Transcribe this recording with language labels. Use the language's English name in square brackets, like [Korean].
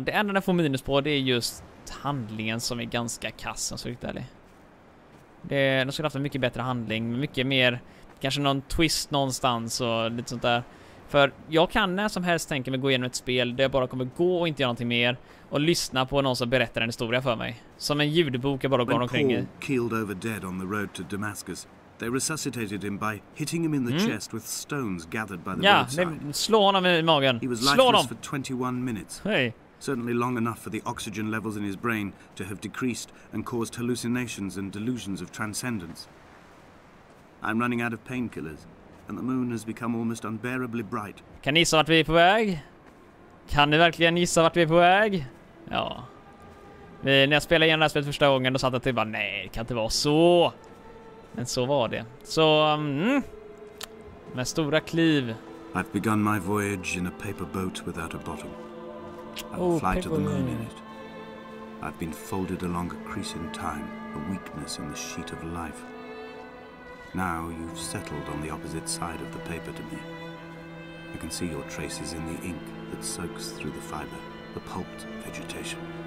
[Swedish] Det enda den får minus på det är just handlingen som är ganska kass. Så riktigt ärlig. De skulle haft en mycket bättre handling. Mycket mer, kanske någon twist någonstans och lite sånt där. För jag kan när som helst tänka mig gå igenom ett spel där jag bara kommer gå och inte göra någonting mer och lyssna på någon som berättar en historia för mig. Som en ljudbok jag bara går omkring i. [English] When Paul keeled over dead on the road to Damascus, they resuscitated him by hitting him in the chest with stones gathered by the roadside. [Swedish] Ja, slå honom i magen. [English] He was lifeless for 21 minutes. Hey. Certainly long enough for the oxygen levels in his brain to have decreased and caused hallucinations and delusions of transcendence. I'm running out of painkillers. And the moon has become almost unbearably bright. [Swedish] Kan ni gissa vart vi är på väg? Kan ni verkligen gissa vart vi är på väg? Ja. När jag spelade igen det här spelet första gången då satt jag till bara nej, det kan inte vara så. Men så var det. Så, med stora kliv [English] I've begun my voyage in a paper boat without a bottom. I will fly to the moon in it. I've been folded along a crease in time, a weakness in the sheet of life. Now you've settled on the opposite side of the paper to me. I can see your traces in the ink that soaks through the fiber, the pulped vegetation.